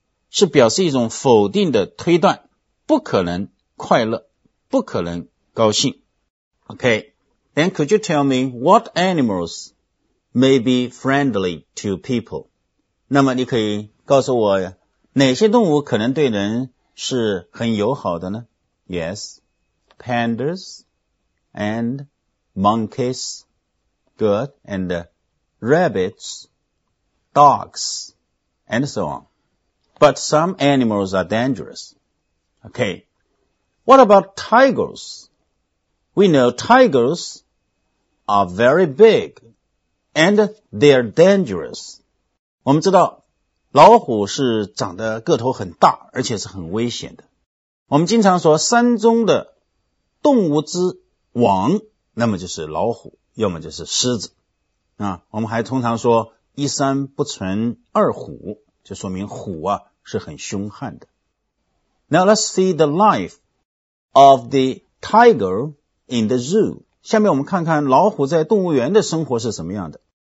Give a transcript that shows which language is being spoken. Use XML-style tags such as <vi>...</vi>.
<zh>是表示一种否定的推断，不可能快乐，不可能高兴。</zh> <en>Okay, then could you tell me what animals may be friendly to people?</en> <zh>那么你可以告诉我哪些动物可能对人是很友好的呢？</zh> <en>Yes, pandas and monkeys, good, and rabbits, dogs, and so on. But some animals are dangerous. Okay. What about tigers? We know tigers are very big and they are dangerous.</en> <zh>我们知道老虎是长得个头很大而且是很危险的。我们经常说山中的动物之王那么就是老虎要么就是狮子。啊，我们还通常说一山不存二虎就说明虎啊是很凶悍的。</zh> <en>Now let's see the life of the tiger in the zoo.</en> <zh>下面我们看看老虎在动物园的生活是什么样的。</zh>